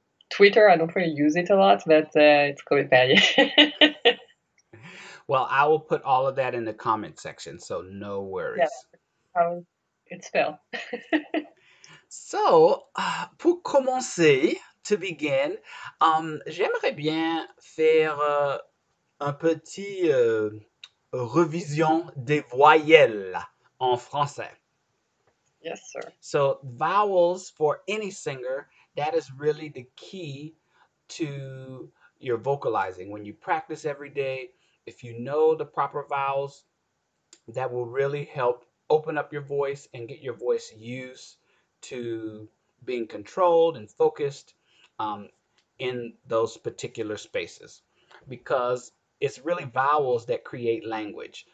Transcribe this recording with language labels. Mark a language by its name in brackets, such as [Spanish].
[English] Twitter, I don't really use it a lot, but it's Chloé Perrier. Well, I will put all of that in the comment section, so no worries. Yeah, it's Phil. [French] So, pour commencer, [English] to begin, [French] j'aimerais bien faire un petit revision des voyelles en français. [English] Yes, sir. So, vowels for any singer, that is really the key to your vocalizing. When you practice every day, if you know the proper vowels, that will really help open up your voice and get your voice used to being controlled and focused in those particular spaces, because it's really vowels that create language.